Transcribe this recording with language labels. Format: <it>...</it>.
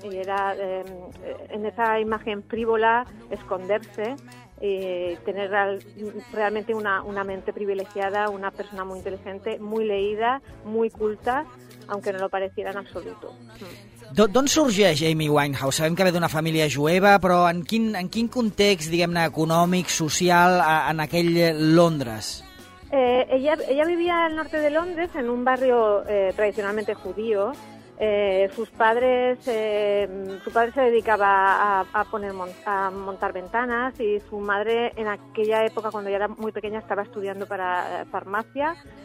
<es>Y era en esa imagen frívola esconderse y tener realmente una mente privilegiada, una persona muy inteligente, muy leída, muy culta, aunque no lo pareciera en absoluto.</es> <ca>D'on sorgeix Amy Winehouse? Sabem que ve d'una família jueva, però en quin context, diguem-ne, econòmic, social, en aquell Londres?</ca> <es>Ella vivia al norte de Londres, en un barrio tradicionalmente judío. Su padre se dedicaba a montar ventanas, y su madre en aquella época, cuando ella era muy pequeña, estaba estudiando para farmacia.</es>